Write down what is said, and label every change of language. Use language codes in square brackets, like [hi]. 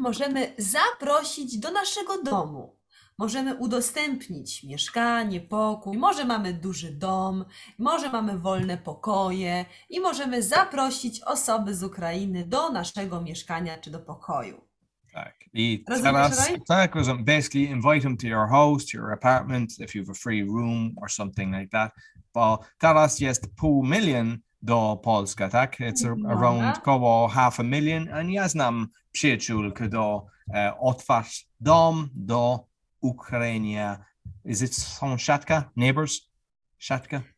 [pl] Możemy zaprosić do naszego domu. Możemy udostępnić mieszkanie, pokój. Może mamy duży dom, może mamy wolne pokoje i możemy zaprosić osoby z Ukrainy do naszego mieszkania czy do pokoju. Tak. I teraz, tak, [en] basically invite them to your house, to your apartment, if you have a free room or something like that. [pl] Bo teraz jest 500,000 do Polska, tak? [en] It's around [pl] koło 500,000. [en] And [pl] ja znam przyjaciół, kto otwarł dom do Ukrainy. [en] Is it [pl] sąsiadka? [en] Neighbors? Siatka?